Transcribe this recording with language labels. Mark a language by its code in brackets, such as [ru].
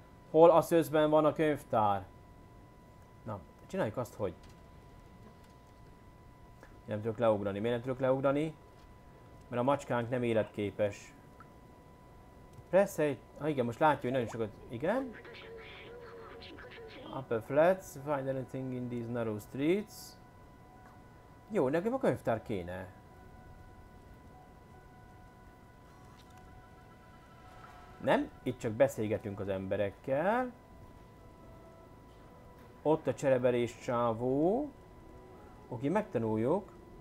[hu] Hol a szőzben van a könyvtár? Na, csináljuk azt, hogy... nem tudok leugrani. Miért nem tudok leugrani? Mert a macskánk nem életképes. Press egy... ah, igen, most látja, hogy nagyon sokat... igen. [en] Upper flats, find anything in these narrow streets. [hu] Jó, nekem a könyvtár kéne. Nem? Itt csak beszélgetünk az emberekkel. Ott a csereberés csávó. Oké, megtanuljuk.